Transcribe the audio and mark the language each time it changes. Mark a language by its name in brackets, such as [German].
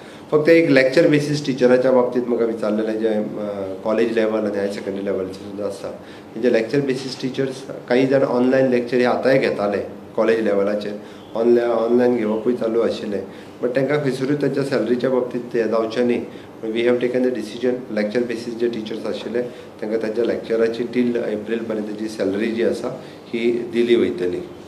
[Goan Konkani] फक्त एक lecture basis टिचराच्या बाबतीत म्हाका विचारलेलें जे कॉलेज लेवल आनी हायर सेकेंडरी लेवलचे सुद्दां आसता म्हणजे लेक्चर बेसीस टिचर्स कांय जाण ऑनलायन लेक्चर हे आतांय घेताले कॉलेज लेवलाचेर ऑनलाइन ऑनलाइन घेवपूय चालू आशिल्लें बट तांकां खंयसरूय तांच्या सॅलरीच्या बाबतींत हें जावचें न्ही. [English] we have taken the decision [Goan Konkani] lecture basis J teachers आशिल्ले तांकां तांच्या लॅक्चराची टील एप्रील पर्यंत जी सॅलरी जी आसा ही दिली वयतली.